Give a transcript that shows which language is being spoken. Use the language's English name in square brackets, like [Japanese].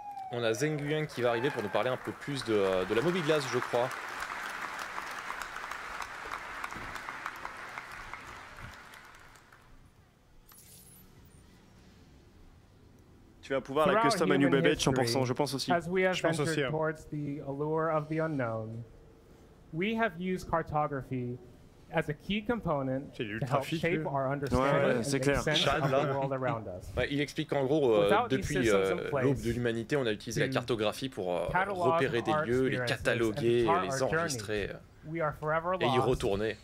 [French] On a Zeng Yuan qui va arriver pour nous parler un peu plus de la Moby Glass, je crois. Tu vas pouvoir la custom à New Baby 100%, je pense aussi. [English] Towards the allure of the unknown, we have used cartography as a key component to help shape our understanding and make sense of the world around us. [French] Ouais, il explique qu'en gros, depuis l'aube de l'humanité, on a utilisé la cartographie pour repérer des lieux, les cataloguer, les enregistrer, et y retourner.